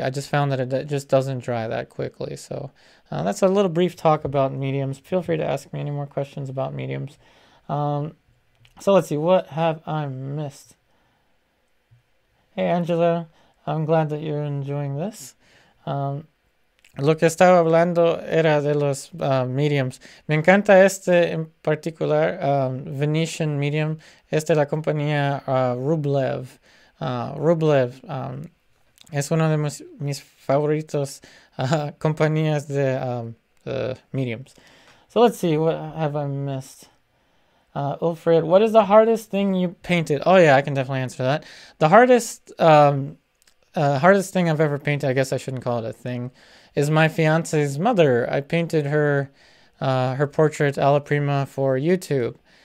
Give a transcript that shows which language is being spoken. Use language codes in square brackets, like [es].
[en] I just found that it just doesn't dry that quickly. So that's a little brief talk about mediums. Feel free to ask me any more questions about mediums. So let's see, what have I missed? Hey Angela, I'm glad that you're enjoying this. [es] Lo que estaba hablando era de los mediums. Me encanta este en particular, Venetian medium. Este la compañía Rublev. Rublev es uno de mis favoritos compañías de mediums. [en] So let's see, what have I missed? Ulfred, what is the hardest thing you painted? Oh yeah, I can definitely answer that. The hardest thing I've ever painted, I guess I shouldn't call it a thing, is my fiance's mother. I painted her her portrait alla prima for YouTube.